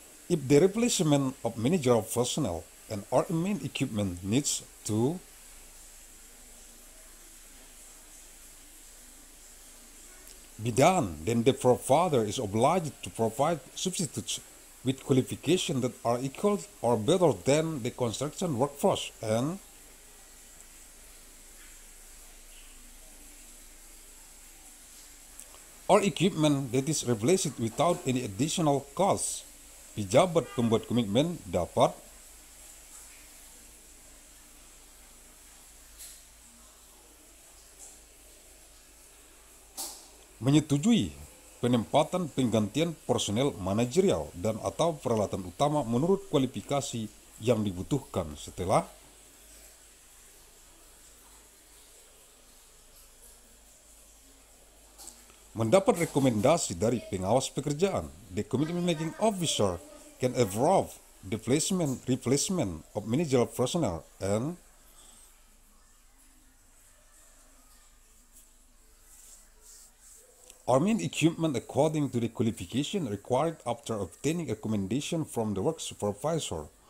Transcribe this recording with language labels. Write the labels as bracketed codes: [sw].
[en] If the replacement of managerial personnel and or main equipment needs to be done, then the provider is obliged to provide substitutes with qualifications that are equal or better than the construction workforce and or equipment that is replaced without any additional cost. [id] Pejabat pembuat komitmen dapat menyetujui penempatan penggantian personel manajerial dan atau peralatan utama menurut kualifikasi yang dibutuhkan setelah mendapat rekomendasi dari pengawas pekerjaan. [en] The commitment making officer can approve the replacement of managerial personnel and or main equipment according to the qualification required after obtaining a recommendation from the work supervisor.